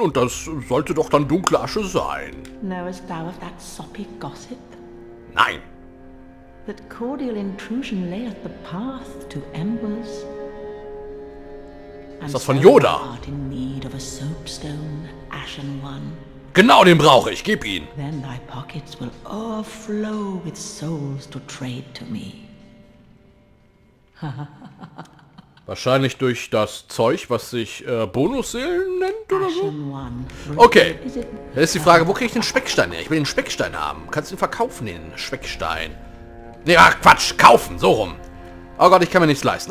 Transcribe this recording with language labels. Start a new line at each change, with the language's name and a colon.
German: Und das sollte doch dann dunkle Asche sein.
English: Knowest thou of that soppy gossip?
German: Nein.
English: That cordial intrusion layeth the path to embers.
German: Ist das von Yoda?
English: In need of a soapstone, ashen one.
German: Genau, den brauche ich. Gib ihn.
English: Then thy pockets will overflow with souls to trade to me.
German: Wahrscheinlich durch das Zeug, was sich Bonusseelen nennt oder so? Okay. Jetzt ist die Frage, wo kriege ich den Speckstein her? Ich will den Speckstein haben. Kannst du ihn verkaufen, den Speckstein? Nee, ach Quatsch, kaufen, so rum. Oh Gott, ich kann mir nichts leisten.